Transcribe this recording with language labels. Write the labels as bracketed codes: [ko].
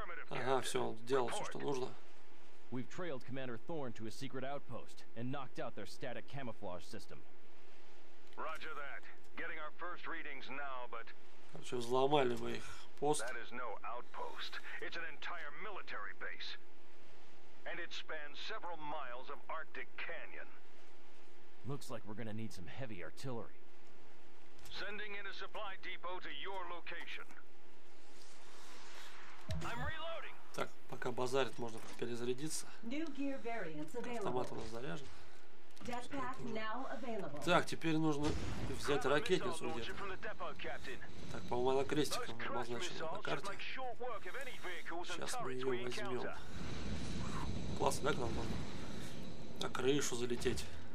[ru] Ага, все, он сделал все, что нужно. [en] We've trailed Commander Thorn to a secret outpost and knocked out their static camouflage system. Roger that. Getting our first readings now, but. [ru] Короче, взломали мы их пост. [en] That is no outpost. It's an entire military base. And it spans several miles of Arctic Canyon. Looks like we're gonna need some heavy artillery. Sending in a supply depot to your location. I'm reloading. [ru] Так, пока базарит, можно перезарядиться. [en] New gear variants available. [ru] Автомат у нас заряжен. [en] Now [ru] так, теперь нужно взять ракетницу где-то. Так, по-моему, она крестиком обозначена на карте. Сейчас мы ее возьмем. Классно, да, когда можно на крышу залететь?